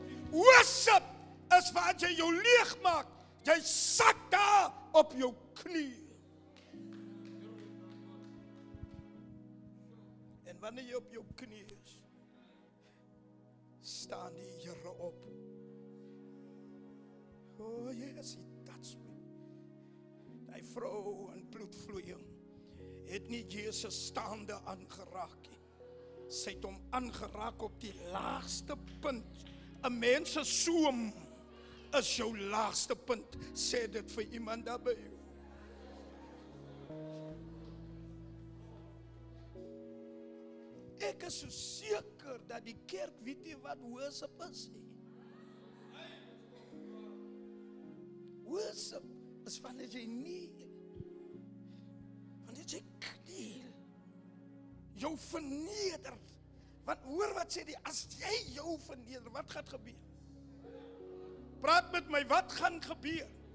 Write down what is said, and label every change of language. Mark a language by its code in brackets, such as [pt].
[af] Worship is wat jy jou leeg maak. Jy sak daar op jou knie. En wanneer jy op jou knie is, staan die Here op. [en] Oh yes, he touched me. [af] Die vrou in bloedvloeiing het nie Jesus staande aangeraak. Sy het hom aangeraak op die laagste punt. Een mens se soem is jou laagste punt, sê dit vir iemand daar by jou. Ek is so seker dat die kerk weet nie wat worship is. Worship is wanneer jy nie, wanneer jy kniel, jou verneder. Want hoor wat sê die, as jy jou verneder, wat gaat gebeur? Praat met my, wat gaan gebeur?